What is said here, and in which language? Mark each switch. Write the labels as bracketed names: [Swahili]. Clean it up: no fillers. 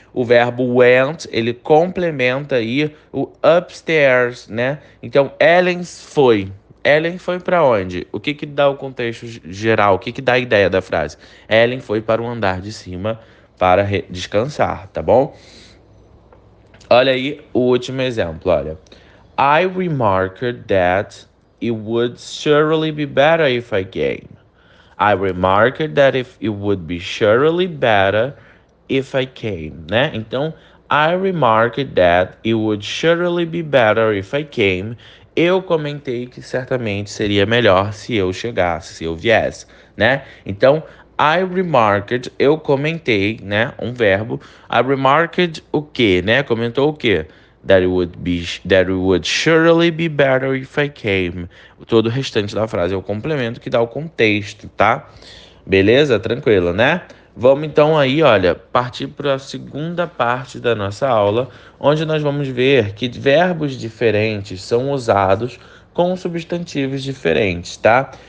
[Portuguese] O verbo went, ele complementa aí o upstairs, né? Então, Ellen foi. Ellen foi para onde? O que que dá o contexto geral? O que que dá a ideia da frase? Ellen foi para o andar de cima para descansar, tá bom? Olha aí o último exemplo, olha. [English] I remarked that it would surely be better if I came. I remarked that if it would be surely better if I came, né? Então, I remarked that it would surely be better if I came. [Portuguese] Eu comentei que certamente seria melhor se eu chegasse, se eu viesse, né? Então, [English] I remarked, [Portuguese] eu comentei, né? Um verbo. [English] I remarked [Portuguese] o quê, né? Comentou o quê? [English] That it would surely be better if I came. [Portuguese] Todo o restante da frase é o complemento que dá o contexto, tá? Beleza? Tranquilo, né? Vamos então aí, olha, partir para a segunda parte da nossa aula, onde nós vamos ver que verbos diferentes são usados com substantivos diferentes, tá?